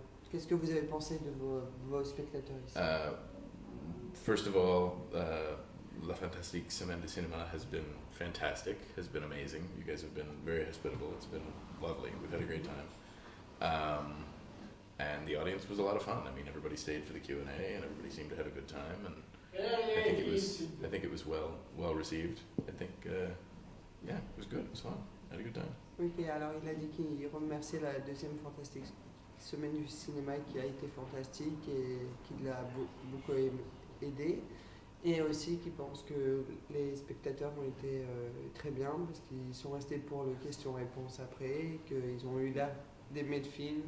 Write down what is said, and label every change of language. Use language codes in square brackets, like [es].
[fr] Qu'est-ce que vous avez pensé de vos spectateurs ici? [en] First of all, [fr] la fantastique semaine de cinéma [en] has been fantastic, has been amazing. You guys have been very hospitable. It's been lovely. We've had a great time. And the audience was a lot of fun. I mean, everybody stayed for the Q&A and everybody seemed to have a good time. And I think it was well received. I think, it was good. It was fun. I had a good time. [fr] Okay, alors il a dit qu'il remerciait la deuxième fantastique semaine du cinéma qui a été fantastique et qui l'a beaucoup aidé. Et aussi qui pensent que les spectateurs ont été très bien parce qu'ils sont restés pour le question-réponse après, qu'ils ont eu l'air d'aimer le film.